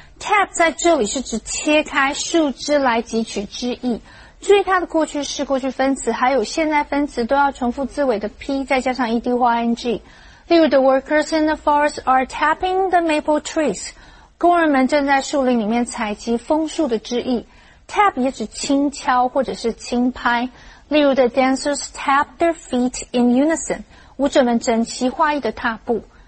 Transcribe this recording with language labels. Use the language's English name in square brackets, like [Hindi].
[Chinese] tap 在这里是指切开树枝来汲取汁液。注意它的过去式、过去分词还有现在分词都要重复字尾的 p 再加上 ed 或 ing。例如 [English] ,the workers in the forest are tapping the maple trees. [Chinese] 工人们正在树林里面采集枫树的汁液。 tap 也指轻敲或者是轻拍。例如 [English] ,the dancers tap their feet in unison. [Chinese] 舞者们整齐划一的踏步。